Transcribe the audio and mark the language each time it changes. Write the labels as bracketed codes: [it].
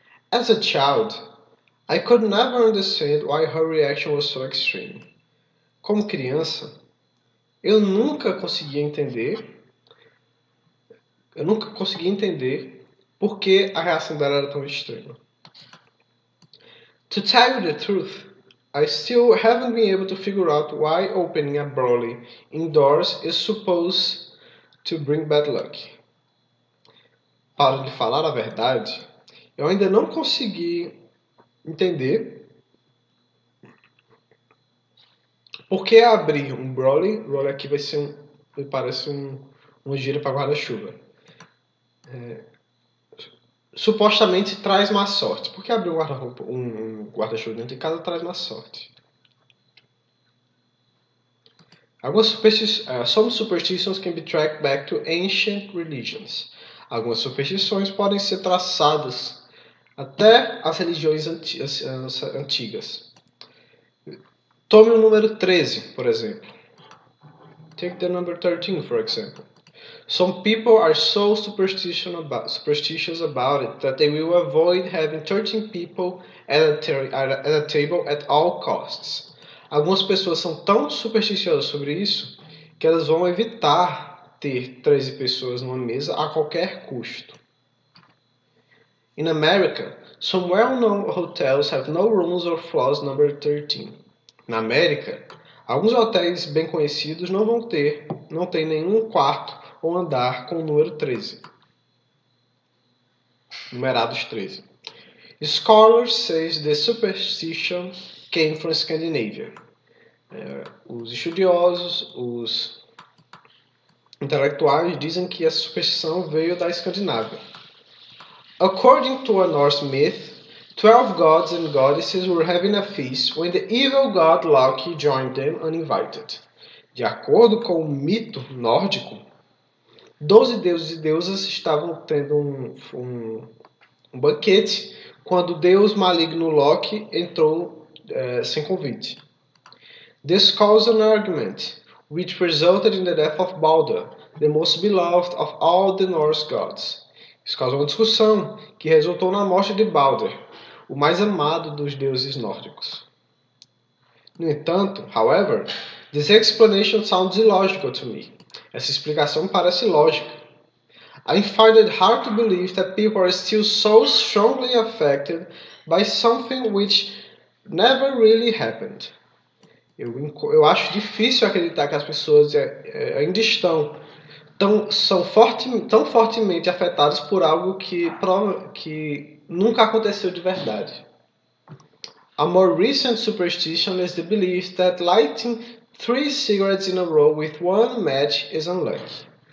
[en] As a child, I could never understand why her reaction was so extreme. [pt] Como criança, eu nunca conseguia entender. Eu nunca conseguia entender. Por que a reação dela era tão extrema? [en] To tell you the truth, I still haven't been able to figure out why opening a brawley indoors is supposed to bring bad luck. [pt] Para lhe falar a verdade, eu ainda não consegui entender por que abrir um brawley. O brawley aqui vai ser me parece um gira para guarda-chuva. Supostamente traz má sorte. Por que abrir um guarda-chuva dentro de casa traz má sorte? [en] Some superstitions can be tracked back to ancient religions. [pt] Algumas superstições podem ser traçadas até às religiões antigas. Tome o número 13, por exemplo. [en] Take the number 13, for example. Some people are so superstitious about it that they will avoid having 13 people at a table at all costs. [pt] Algumas pessoas são tão supersticiosas sobre isso que elas vão evitar ter 13 pessoas numa mesa a qualquer custo. [en] In America, some well-known hotels have no rooms or floors number 13. [pt] Na América, alguns hotéis bem conhecidos não têm nenhum quarto ou andar com o número 13. Numerados 13. [en] Scholars say the superstition came from Scandinavia. [pt] Os estudiosos, os intelectuais dizem que a superstição veio da Escandinávia. [en] According to a Norse myth, 12 gods and goddesses were having a feast when the evil god Loki joined them uninvited. [pt] De acordo com o mito nórdico, 12 deuses e deusas estavam tendo um banquete quando o deus maligno Loki entrou sem convite. [en] This caused an argument, which resulted in the death of Balder, the most beloved of all the Norse gods. [pt] Isso causou uma discussão que resultou na morte de Balder, o mais amado dos deuses nórdicos. No entanto, [en] however, this explanation sounds illogical to me. [pt] Essa explicação parece lógica. [en] I find it hard to believe that people are still so strongly affected by something which never really happened. [pt] Eu acho difícil acreditar que as pessoas ainda estão tão fortemente afetadas por algo que nunca aconteceu de verdade. [en] A more recent superstition is the belief that lighting three cigarettes in a row with one match is unlucky.